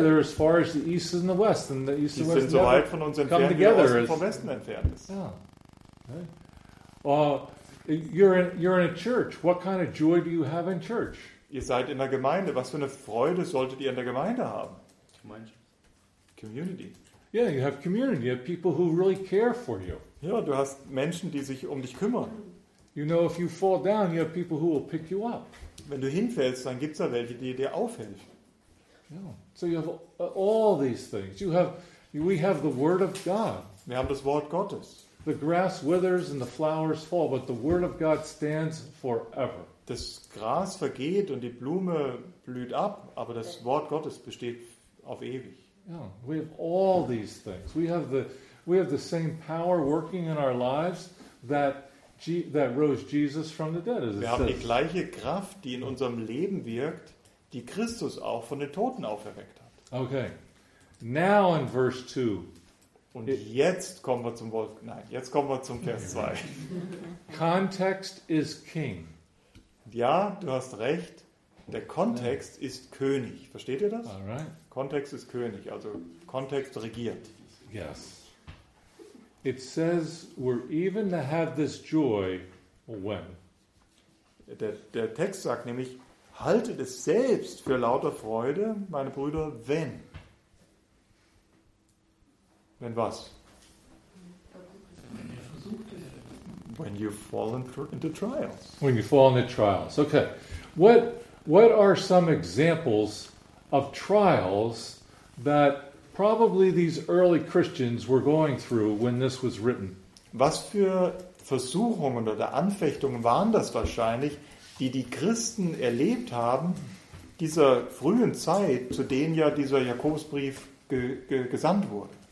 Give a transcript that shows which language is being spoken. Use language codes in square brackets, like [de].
[en] They're as far as the east is in the west, and the east and west [de] sind so weit von uns entfernt, wie der Osten vom Westen entfernt ist. [en] Yeah. Okay. You're in a church. What kind of joy do you have in church? [de] Ihr seid in der Gemeinde. Was für eine Freude solltet ihr in der Gemeinde haben? [en] Community. Yeah, you have community. You have people who really care for you. [de] Ja, du hast Menschen, die sich um dich kümmern. [en] You know, if you fall down, you have people who will pick you up. [de] Wenn du hinfällst, dann gibt's da welche, die dir aufhelfen. [en] Yeah. So you have all these things. We have the Word of God. [de] Wir haben das Wort Gottes. [en] The grass withers and the flowers fall, but the Word of God stands forever. [de] Das Gras vergeht und die Blume blüht ab, aber das Wort Gottes besteht auf ewig. [en] Yeah, we have all these things. We have the same power working in our lives that rose Jesus from the dead. [de] Wir haben die gleiche Kraft, die in unserem Leben wirkt, die Christus auch von den Toten auferweckt hat. [en] Okay. Now in verse 2. [de] Und jetzt kommen wir zum Wolf. Nein, jetzt kommen wir zum Vers 2. [en] Context is king. [de] Ja, du hast recht. Der Kontext ist König. Versteht ihr das? [en] All right. [de] Kontext ist König, also Kontext regiert. [en] Yes. It says we're even to have this joy when. [de] Der Text sagt nämlich, haltet es selbst für lauter Freude, meine Brüder, wenn. Wenn was? [en] When you fall into trials. When you fall into trials. Okay. What are some examples of trials that probably these early Christians were going through when this was written? [de] Was für Versuchungen oder Anfechtungen waren das wahrscheinlich, die Christen erlebt haben, dieser frühen Zeit, zu denen ja dieser Jakobusbrief gesandt wurde?